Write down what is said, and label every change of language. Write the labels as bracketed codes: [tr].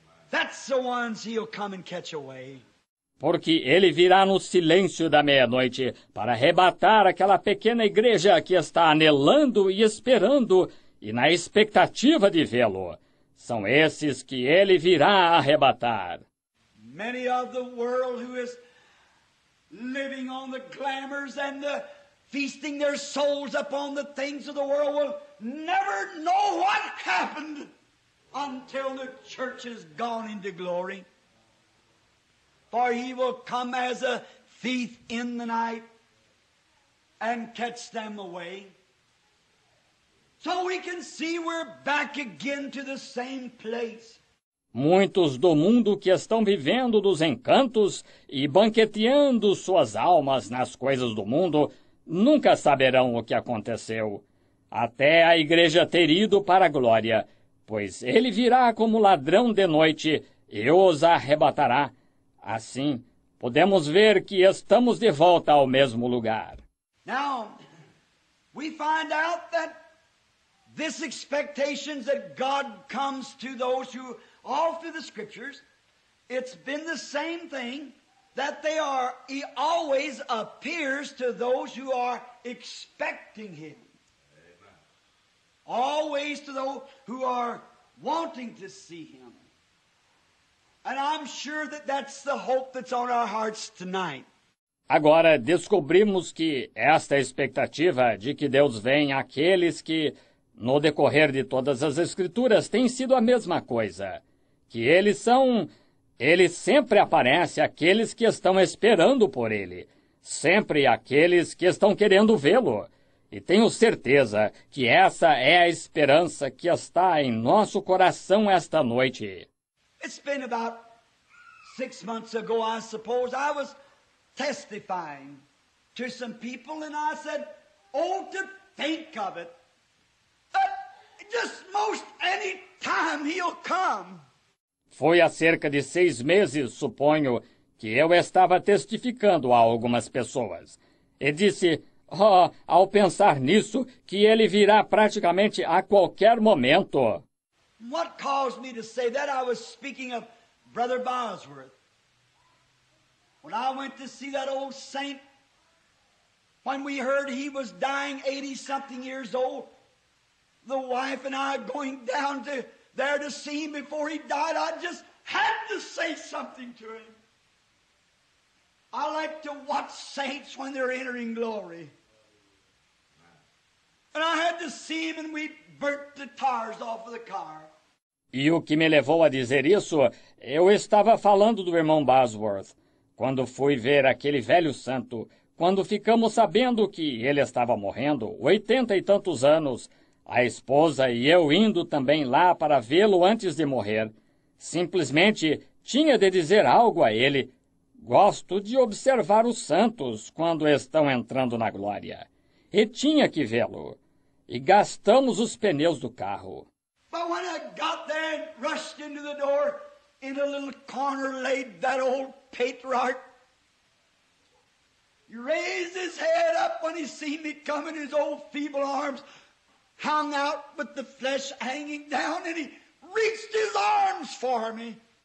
[en] That's the ones he'll come and catch away. [pt] Porque ele virá no silêncio da meia-noite para arrebatar aquela pequena igreja que está anelando e esperando e na expectativa de vê-lo. são esses que ele virá arrebatar. [en] Many of the world who is living on the glamours and the feasting their souls upon the things of the world will never know what happened until the church has gone into glory. For he will come as a thief in the night and catch them away. So we can see we're back again to the same place. [pt] Muitos do mundo que estão vivendo dos encantos e banqueteando suas almas nas coisas do mundo nunca saberão o que aconteceu, até a igreja ter ido para a glória, pois ele virá como ladrão de noite e os arrebatará. Assim, podemos ver que estamos de volta ao mesmo lugar. [en] Now, we find out that this expectation that God comes to those who all through the scriptures, it's been the same thing that they are, he always appears to those who are expecting him. Amen. Always to those who are wanting to see him. And I'm sure that that's the hope that's on our hearts tonight. [pt] Agora descobrimos que esta expectativa de que Deus vem àqueles que, no decorrer de todas as escrituras, tem sido a mesma coisa. Que ele sempre aparece àqueles que estão esperando por ele, sempre àqueles que estão querendo vê-lo. E tenho certeza que essa é a esperança que está em nosso coração esta noite. [en] It's been about 6 months ago, I suppose, I was testifying to some people and I said, oh, to think of it, just most any time he'll come. [pt] Foi há cerca de 6 meses, suponho, que eu estava testificando a algumas pessoas. E disse, oh, ao pensar nisso, que ele virá praticamente a qualquer momento. [en] What caused me to say that? I was speaking of Brother Bosworth. When I went to see that old saint, when we heard he was dying 80-something years old, the wife and I going down to there to see him before he died, I just had to say something to him. I like to watch saints when they're entering glory. And I had to see him and we burnt the tires off of the car. [pt] E o que me levou a dizer isso, eu estava falando do irmão Bosworth. Quando fui ver aquele velho santo, quando ficamos sabendo que ele estava morrendo, 80 e tantos anos, a esposa e eu indo também lá para vê-lo antes de morrer, simplesmente tinha de dizer algo a ele. Gosto de observar os santos quando estão entrando na glória. E tinha que vê-lo. E gastamos os pneus do carro. [en] But when I got there and rushed into the door, in a little corner laid that old patriarch. He raised his head up when he seen me coming, his old feeble arms hung out with the flesh hanging down, and he reached his arms for me.